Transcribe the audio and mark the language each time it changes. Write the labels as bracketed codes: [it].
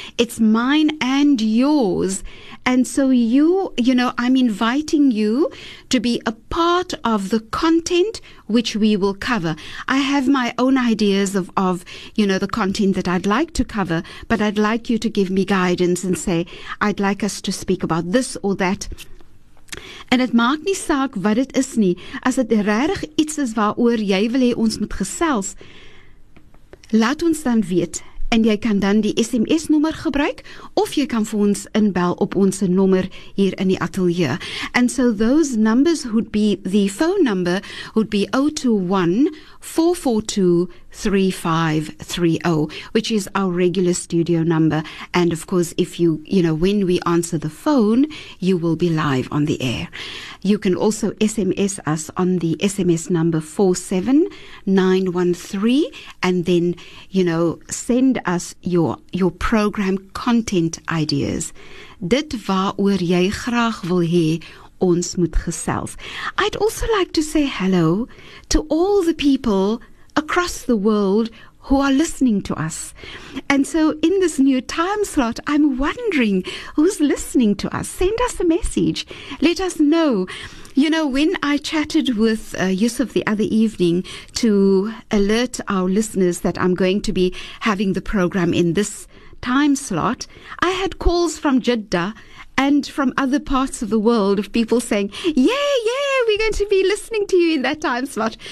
[en] It's mine and yours. And so you know, I'm inviting you to be a part of the content which we will cover. I have my own ideas of you know, the content that I'd like to cover, but I'd like you to give me guidance and say, I'd like us to speak about this or that. [af] And it maak nie saak wat dit is nie. As dit regtig iets is waaroor jy wil hê ons moet gesels, laat ons dan weet. En jy kan dan die SMS-nommer gebruik, of jy kan vir ons inbel op ons nommer hier in die atelier. [en] And so those numbers would be, the phone number would be 021-442-3530, which is our regular studio number. And of course, if you, you know, when we answer the phone, you will be live on the air. You can also SMS us on the SMS number 47913 and then, you know, send us your program content ideas. [af] Dit waaroor jy graag wil hê ons moet gesels. [en] I'd also like to say hello to all the people across the world who are listening to us. And so in this new time slot, I'm wondering who's listening to us. Send us a message. Let us know. You know, when I chatted with Yusuf the other evening to alert our listeners that I'm going to be having the program in this time slot, I had calls from Jeddah and from other parts of the world of people saying, yeah, yeah, we're going to be listening to you in that time slot.